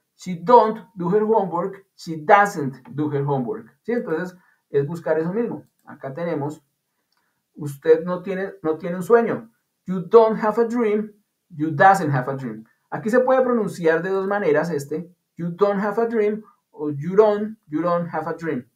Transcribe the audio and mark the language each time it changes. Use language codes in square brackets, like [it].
[en] She don't do her homework, she doesn't do her homework. ¿Sí? [es] Entonces, es buscar eso mismo. Acá tenemos, usted no tiene un sueño. [en] You don't have a dream, you doesn't have a dream. [es] Aquí se puede pronunciar de dos maneras este. [en] You don't have a dream o you don't have a dream.